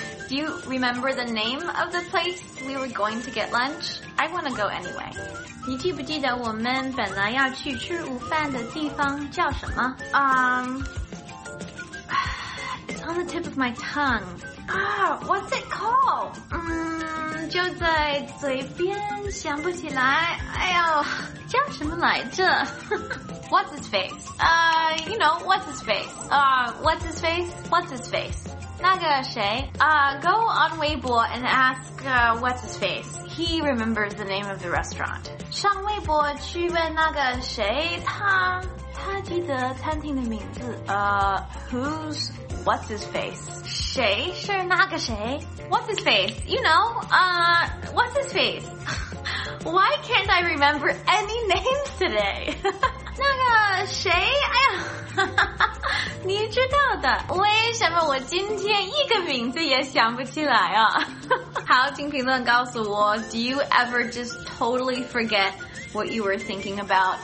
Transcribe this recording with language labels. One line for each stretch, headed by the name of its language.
English: Do you remember the name of the place we were going to get lunch? I want to go anyway.
Chinese: 你记不记得我们本来要去吃午饭的地方叫什么?
English: It's on the tip of my tongue. What's it called?
Chinese: 就在嘴边想不起来。哎呦，叫什么来着?
English: What's his face? You know, what's his face? What's his face? What's his face?
Chinese: 那个谁?
English: Go on Weibo and ask, what's his face? He remembers the name of the restaurant.
Chinese: 上微博去问那个谁? 他记得餐厅的名字。
English: Who's what's his face?
Chinese: 谁是那个谁?
English: What's his face? You know, what's his face? Why can't I remember any names today?
Chinese: 那个谁，哎呀，你知道的，为什么我今天一个名字也想不起来啊？好，请评论告诉我
English: ，Do you ever just totally forget what you were thinking about?